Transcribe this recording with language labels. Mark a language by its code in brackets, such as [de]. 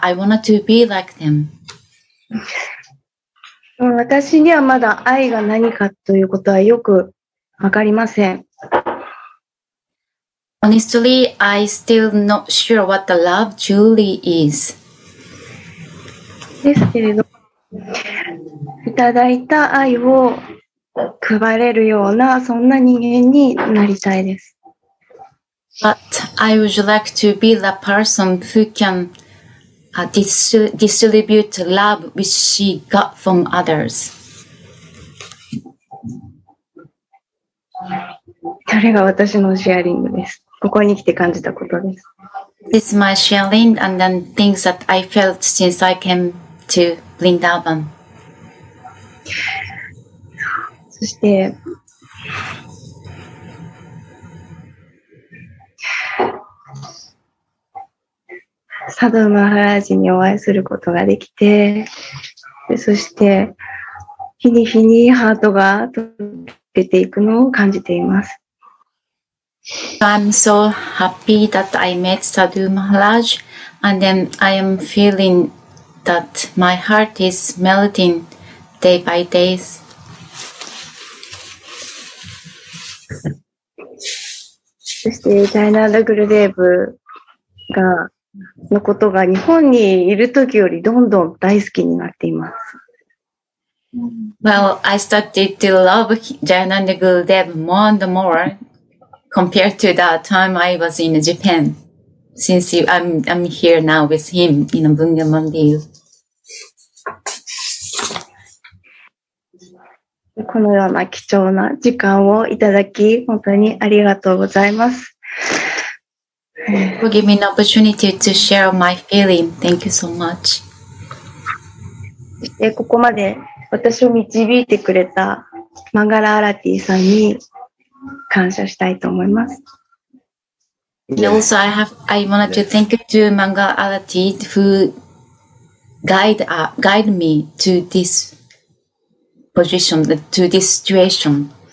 [en] I wanted to be like them. [ja] 私にはまだ愛が何かということはよくわかりません。 [en] Honestly, I still not sure what the love truly is. [ja] ですけれど、いただいた愛を配れるようなそんな人間になりたいです。 [en] But I would like to be the person who can distribute love which she got from others. [ja] それが私のシェアリングです。ここに来て感じたことです。 [en] This is my sharing and then things that I felt since I came to Vrindavan. [ja] そして、サドマハラジにお会いすることができて、そして、日に日にハートが溶けていくのを感じています。 [en] I'm so happy that I met サドマハラジ and then I am feeling that my heart is melting day by day. [ja] そしてジャイナダグルデーブがのことが日本にいるときよりどんどん大好きになっています。 [en] Well, I started to love Jayananda Gurudev more and more compared to that time I was in Japan. Since I'm here now with him in a Bunga Mandir. [ja] このような貴重な時間をいただき本当にありがとうございます。 [en] Give me an opportunity to share my feeling. Thank you so much. [ja] ここまで私を導いてくれたマンガラアラティさんに感謝したいと思います。 [en] Also, I wanted to thank you to Manga Arati who guide me to this position, to this situation.